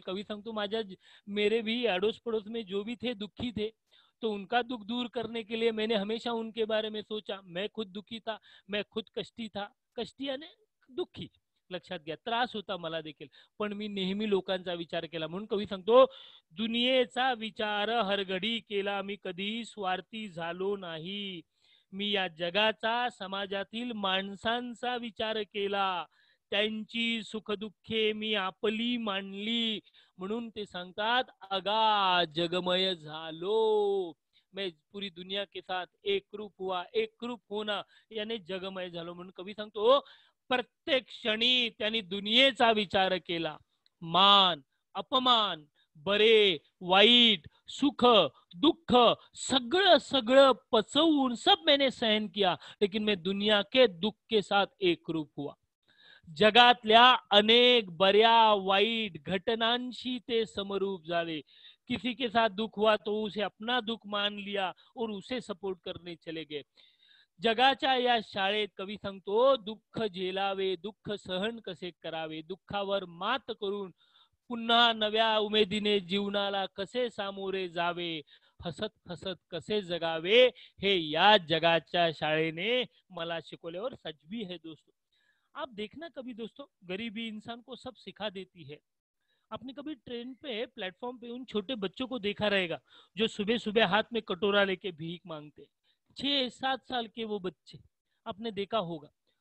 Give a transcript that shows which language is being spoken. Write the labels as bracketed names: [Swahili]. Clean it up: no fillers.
[Hindi] कवि संग तो माजा मेरे भी अड़ोस पड़ोस में जो भी थे दुखी थे, तो उनका दुख दूर करने के लिए मैंने हमेशा उनके बारे में सोचा, मैं खुद दुखी था, मैं खुद कष्टी था, कष्टी याने दुखी, [Marathi] लक्षात घ्या, त्रास होता मला देखील, पण मी नेहमी लोकांचा विचार केला। म्हणून कवी सांगतो दुनियेचा विचार हर घडी केला, मी कधी स्वार्थी झालो नाही, मी या जगाचा समाजातील माणसांचा विचार केला, त्यांची सुख दुःखे मी आपली मानली। म्हणून ते सांगतात अगा जगमय झालो, [Hindi] मैं पूरी दुनिया के साथ एक रूप हुआ, [Marathi] एक रूप होना याने जगमय झालो। म्हणून कवी सांगतो प्रत्येक क्षणी त्यांनी दुनियेचा विचार केला, मान अपमान बरे वाईट सुख दुःख सगळं सगळं पचवून [Hindi] सब मैंने सहन किया, लेकिन मैं दुनिया के दुख के साथ एक रूप हुआ। [Marathi] जगातल्या अनेक बऱ्या वाईट घटनांशी ते समरूप झाले, [Hindi] किसी के साथ दुख हुआ तो उसे अपना दुख मान लिया और उसे सपोर्ट करने चले गए। [Marathi] जगाच्या या शाळेत कवी सांगतो दुःख झेलावे, दुःख सहन कसे करावे, दुःखावर मात करून पुन्हा नव्या उमेदीने जीवनाला कसे सामोरे जावे, हसत हसत कसे जगावे, हे या जगाच्या शाळेने मला शिकवले। [Hindi] और सच भी है दोस्तों, आप देखना कभी दोस्तों, गरीबी इंसान को सब सिखा देती है। आपने कभी ट्रेन पे प्लेटफॉर्म पे उन छोटे बच्चों को देखा रहेगा जो सुबह सुबह हाथ में कटोरा लेके भीख मांगते, 6-7 साल के वो बच्चे आपने देखा होगा।